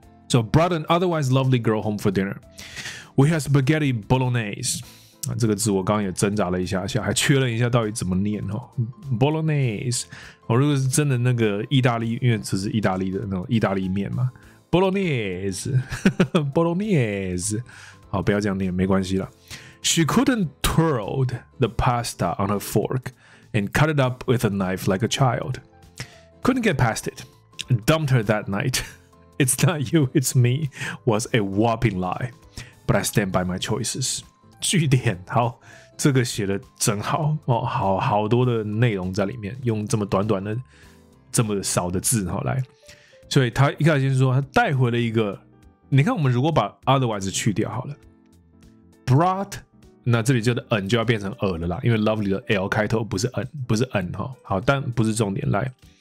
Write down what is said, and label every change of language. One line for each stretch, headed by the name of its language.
English: So brought an otherwise lovely girl home for dinner. We had spaghetti bolognese.、
Chinese: 啊、这个字我刚刚也挣扎了一下下，还确认一下到底怎么念、哦、Bolognese、哦。如果是真的那个意大利，因为这是意大利的那种意大利面嘛 ，Bolognese， Bolognese。好，不要这样念，没关系了。
English: She couldn't twirl the pasta on her fork and cut it up with a knife like a child. Couldn't get past it. Dumped her that night. It's not you, it's me was a whopping lie, but I stand by my choices.
Chinese: 句点好，这个写的真好、哦、好好多的内容在里面，用这么短短的这么少的字好来。所以他一开始先说他带回了一个，你看我们如果把 otherwise 去掉好了， brought 那这里就的 an 就要变成 er 了啦，因为 lovely 的 l 开头不是 an 不是 an、哦、好，但不是重点来。